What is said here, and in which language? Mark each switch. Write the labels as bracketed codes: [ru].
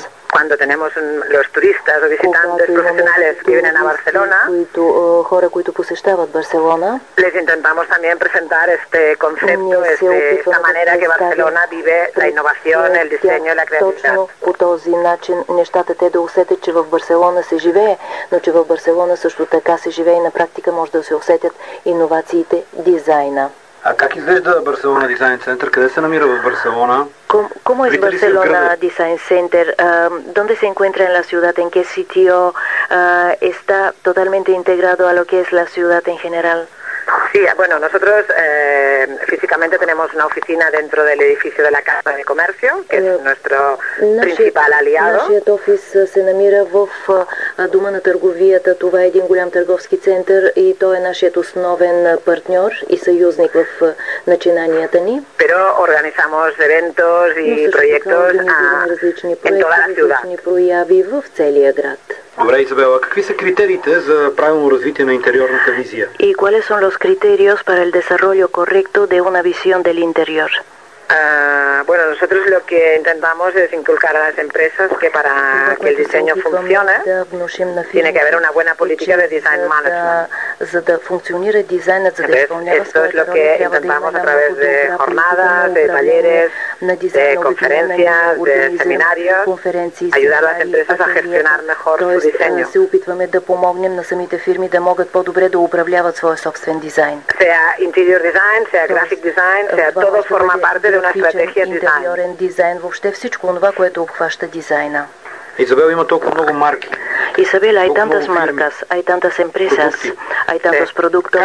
[es] Cuando tenemos los turistas o visitantes profesionales que vienen a Barcelona, les intentamos también presentar este concepto, esta manera que Barcelona vive la innovación, el diseño, la creatividad. [bg] По този начин нещата те да усетят, че в Барселона се живее, но че в Барселона също така се живее и на практика може да се усетят иновациите, дизайна. А как изглежда Барселона дизайн център? Къде се намира в Барселона? [es] ¿Cómo es Barcelona Design Center? ¿Dónde se encuentra en la ciudad? ¿En qué sitio está totalmente integrado a lo que es la ciudad en general? Sí, bueno, nosotros físicamente tenemos una oficina dentro del edificio de la Casa de Comercio, que es nuestro principal aliado. [bg] Нашият офис се намира в Дома на търговията. Това е един голям търговски център и той е нашият основен партньор и съюзник в начинанията ни. [es] Pero organizamos eventos y proyectos [bg] различни проекти в целия град. Добре, Изабела, какви са критериите за правилно развитие на интериорната визия? [es] И quales son los criterios para el desarrollo correcto de una visión del interior? Bueno, nosotros lo que intentamos es inculcar a las empresas que para que el diseño funcione tiene que haber una buena política de design management. Entonces, esto es lo que intentamos a través de jornadas, de talleres, de conferencias, de seminarios, ayudar a las empresas a gestionar mejor su diseño. [bg] Se опитваме да помогнем на самите фирми да могат по-добре да управляват своя собствен дизайн. [es] Sea interior design, sea graphic design, sea todo forma parte de una estrategia de [bg] дизайн. Интериорен дизайн, въобще всичко това, което обхваща дизайна. Изабел, има толкова много марки. [es] Изабел, hay tantas marcas, hay tantas empresas, hay tantos productos.